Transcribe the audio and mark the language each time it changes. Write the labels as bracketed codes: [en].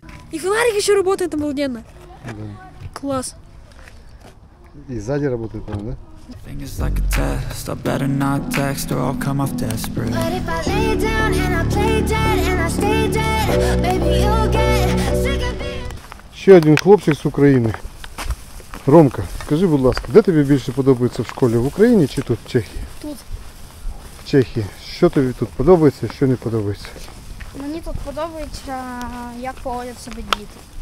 [uk] І фонарик ще працює там обалденно. Клас. І ззаді працює там, да? [en] Think it's like a test, I better not text or I'll come off desperate. But if I lay down and I play dead and I stay dead, baby you'll get sick of being... [uk] Ще один хлопчик з України. Ромка, скажи, будь ласка, де тобі більше подобається в школі, в Україні чи тут, в Чехії? Тут. В Чехії. Що тобі тут подобається, що не подобається? Мені тут подобається, як поводять себе діти.